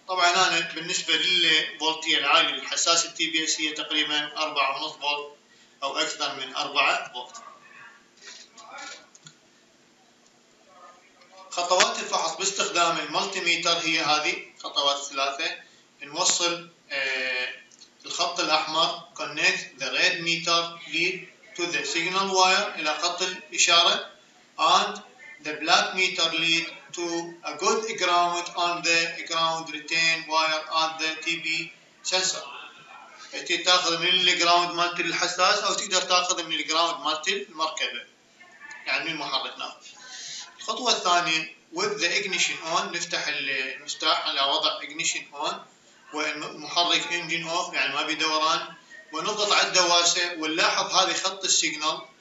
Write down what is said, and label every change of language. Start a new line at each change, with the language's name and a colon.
Arabic: طبعا انا بالنسبه للفولتيه العاليه للحساس التي بي اس هي تقريبا 4.5 فولت او اكثر من 4 فولت. خطوات الفحص باستخدام المالتي ميتر هي هذه خطوات الثلاثه. نوصل الخط الاحمر
English: connect the red meter lead to the signal wire
Arabic: الى خط الاشاره
English: and the black meter lead to a good ground on the ground retain wire on the TB sensor.
Arabic: تقدر تاخذ من الجراوند مالت الحساس او تقدر تاخذ من الجراوند مالت المركبه يعني من محركنا. الخطوه الثانيه
English: with the ignition on
Arabic: نفتح المفتاح على وضع ignition on والمحرك انجن اوف يعني ما بيدوران، ونضغط على الدواسه ونلاحظ هذه خط السيجنال.